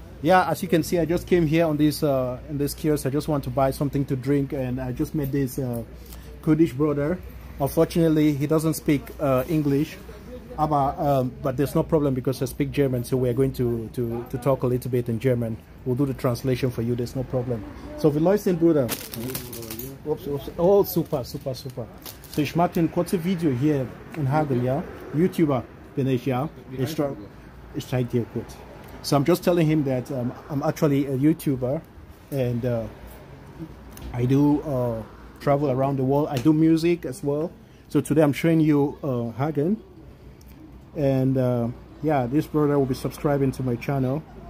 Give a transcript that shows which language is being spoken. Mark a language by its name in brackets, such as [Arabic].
[English] As you can see, I just came here on this in this kiosk. I just want to buy something to drink, and I just met this Kurdish brother. Unfortunately, he doesn't speak English. But there's no problem because I speak German, so we're going to talk a little bit in German. We'll do the translation for you, there's no problem. [German] So, wie läuft's denn, Bruder? Oh, super. So, ich mache ein kurzes Video hier in Hagen, ja? YouTuber bin ich, ja? Ich zeige dir gut. [English] So, I'm just telling him that I'm actually a YouTuber, and I do travel around the world. I do music as well. So, today I'm showing you Hagen. And yeah, this brother will be subscribing to my channel.